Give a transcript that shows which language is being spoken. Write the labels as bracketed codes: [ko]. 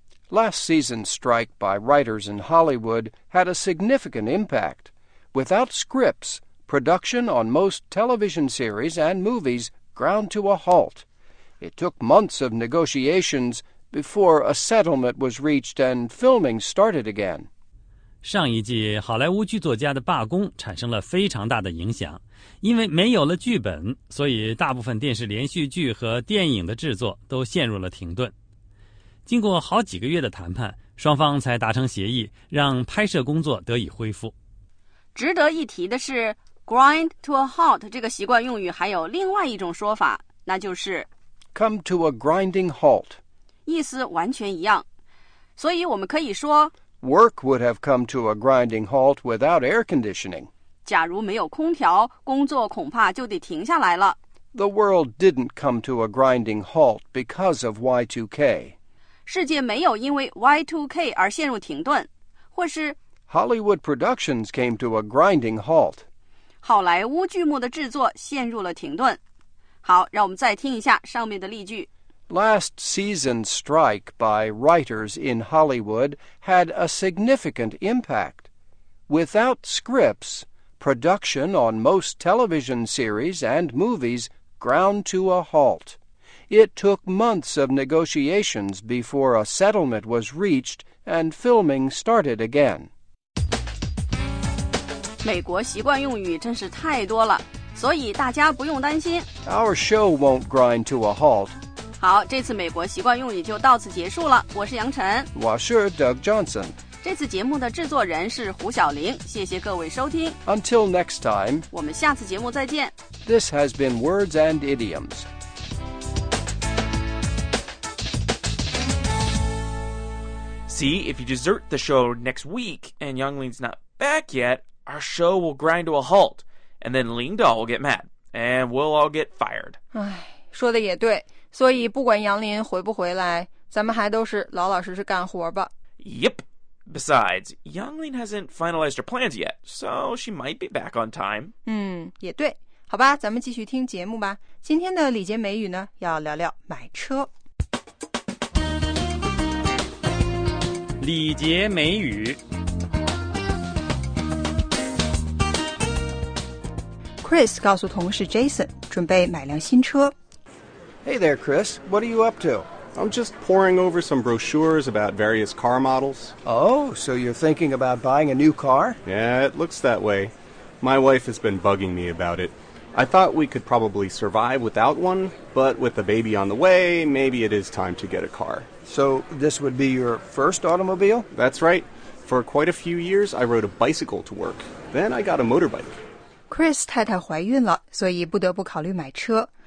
[en] Last season's strike by writers in Hollywood had a significant impact. Without scripts, production on most television series and movies ground to a halt. It took months of negotiations before a settlement was reached and filming started again. [zh] 上一季好莱坞剧作家的罢工产生了非常大的影响，因为没有了剧本，所以大部分电视连续剧和电影的制作都陷入了停顿。经过好几个月的谈判，双方才达成协议，让拍摄工作得以恢复。值得一提的是 [en] grind to a halt [zh] 这个习惯用语还有另外一种说法，那就是 [en] come to a grinding halt， [zh] 意思完全一样，所以我们可以说 [en] Work would have come to a grinding halt without air conditioning. [zh] 假如没有空调，工作恐怕就得停下来了。 [en] The world didn't come to a grinding halt because of Y2K. [zh] 世界没有因为 Y2K 而陷入停顿，或是 [en] Hollywood productions came to a grinding halt. [zh] 好莱坞剧目的制作陷入了停顿。好，让我们再听一下上面的例句。 [en] Last season's strike by writers in Hollywood had a significant impact. Without scripts, production on most television series and movies ground to a halt. It took months of negotiations before a settlement was reached and filming started again. [zh] 美国习惯用语真是太多了，所以大家不用担心。 [en] Our show won't grind to a halt. [zh] 好，这次美国习惯用语就到此结束了。我是杨晨，我是 Doug Johnson。这次节目的制作人是胡晓玲，谢谢各位收听。 [en] Until next time， [zh] 我们下次节目再见。 [en] This has been Words and Idioms。 See if you desert the show next week and Youngling's not back yet, our show will grind to a halt, and then Ling Dao will get mad, and we'll all get fired。 [zh] 唉，说的也对。所以不管杨林回不回来，咱们还都是老老实实干活吧。 [en] Yep. Besides, Youngling hasn't finalized her plans yet, so she might be back on time. [zh] 也对。好吧，咱们继续听节目吧。今天的礼节美语呢，要聊聊买车。礼节美语。 Chris 告诉同事 Jason， 准备买辆新车。 [en] Hey there, Chris. What are you up to? I'm just poring over some brochures about various car models. Oh, so you're thinking about buying a new car? Yeah, it looks that way. My wife has been bugging me about it. I thought we could probably survive without one, but with a baby on the way, maybe it is time to get a car. So this would be your first automobile? That's right. For quite a few years, I rode a bicycle to work. Then I got a motorbike. [zh] Chris 太太怀孕了，所以不得不考虑买车。